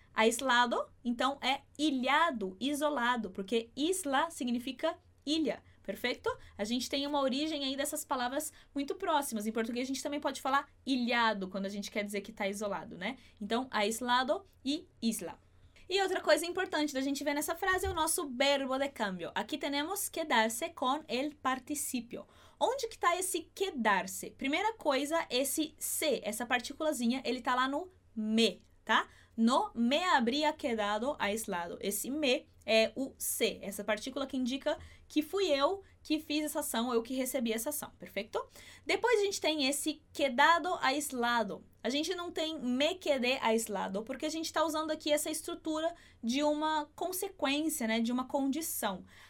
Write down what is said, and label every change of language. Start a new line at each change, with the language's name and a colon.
Portuguese: Aislado, então, é ilhado, isolado, porque isla significa ilha, perfeito? A gente tem uma origem aí dessas palavras muito próximas. Em português, a gente também pode falar ilhado, quando a gente quer dizer que está isolado, né? Então, aislado e isla. E outra coisa importante da gente ver nessa frase é o nosso verbo de cambio. Aqui temos
Spanish: quedarse con el participio.
Portuguese: Onde que está esse quedarse? Primeira coisa, esse se, essa partículazinha, ele está lá no me, tá?
Spanish: No me habría quedado aislado.
Portuguese: Esse me é o se, essa partícula que indica que fui eu que fiz essa ação, eu que recebi essa ação, perfeito? Depois a gente tem esse quedado aislado. A gente não tem
Spanish: me quedé aislado,
Portuguese: porque a gente está usando aqui essa estrutura de uma consequência, né, de uma condição.